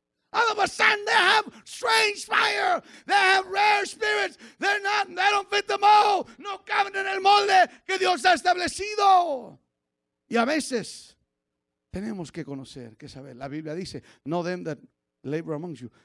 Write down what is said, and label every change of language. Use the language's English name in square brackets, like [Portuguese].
[English] All of a sudden, they have strange fire. They have rare spirits. They don't fit the mold. [Spanish] No caben en el molde que Dios ha establecido. Y a veces, tenemos que conocer, que saber. La Biblia dice, [English] know them that labor amongst you.